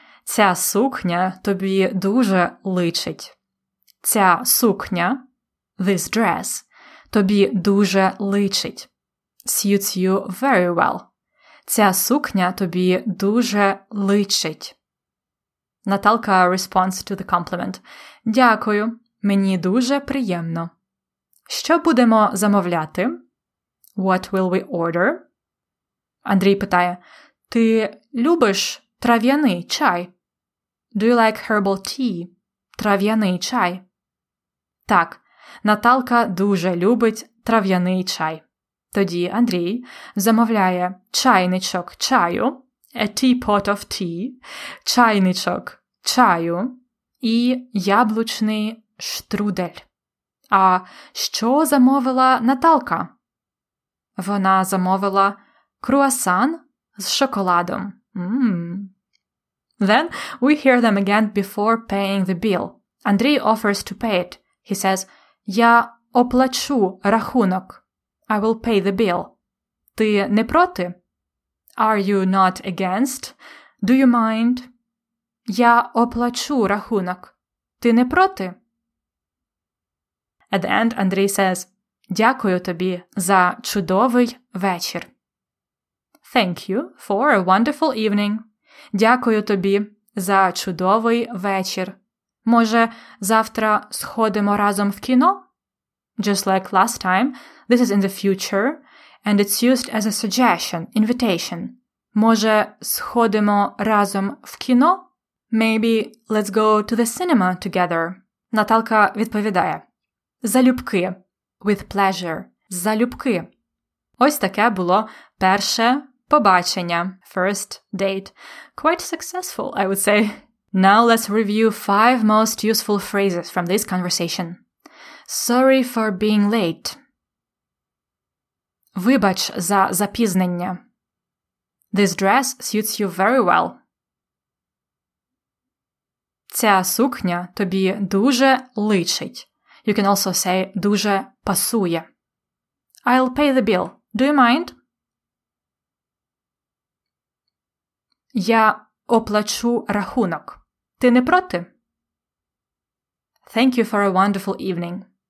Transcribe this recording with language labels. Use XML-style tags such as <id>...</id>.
<uk>Ця сукня тобі дуже личить. Ця сукня,</uk> <en>this dress,</en> <uk>тобі дуже личить.</uk> <en>Suits you very well.</en> <uk>Ця сукня тобі дуже личить.</uk> <en>Наталка responds to the compliment.</en> <uk>Дякую, мені дуже приємно. Що будемо замовляти?</uk> <en>What will we order?</en> <uk>Андрій питає: «Ти любиш трав'яний чай?»</uk> <en>Do you like herbal tea?</en> <uk>Трав'яний чай. Так, Наталка дуже любить трав'яний чай. Тоді Андрій замовляє чайничок чаю,</uk> <en>a teapot of tea,</en> <uk>чайничок чаю і яблучний штрудель. А що замовила Наталка? Вона замовила круасан з шоколадом.</uk> <en>Then we hear them again before paying the bill. Андрій offers to pay it. He says,</en> <uk>я оплачу рахунок.</uk> <en>I will pay the bill.</en> <uk>Ти не проти?</uk> <en>Are you not against? Do you mind?</en> <uk>Я оплачу рахунок. Ти не проти?</uk> <en>At the end, Андрій says,</en> <uk>дякую тобі за чудовий вечір.</uk> <en>Thank you for a wonderful evening.</en> <uk>Дякую тобі за чудовий вечір. Може, завтра сходимо разом в кіно?</uk> <en>Just like last time, this is in the future, and it's used as a suggestion, invitation.</en> <uk>Може, сходимо разом в кіно?</uk> <en>Maybe let's go to the cinema together.</en> <uk>Наталка відповідає: залюбки.</uk> <en>With pleasure.</en> <uk>Залюбки. Ось таке було перше побачення.</uk> <en>First date. Quite successful, I would say. Now let's review 5 most useful phrases from this conversation. Sorry for being late.</en> <uk>Вибач за запізнення.</uk> <en>This dress suits you very well.</en> <uk>Ця сукня тобі дуже личить.</uk> <en>You can also say</en> <uk>дуже пасує.</uk> <en>I'll pay the bill. Do you mind?</en> <uk>Я оплачу рахунок. Ти не проти?</uk> <en>Thank you for a wonderful evening.</en>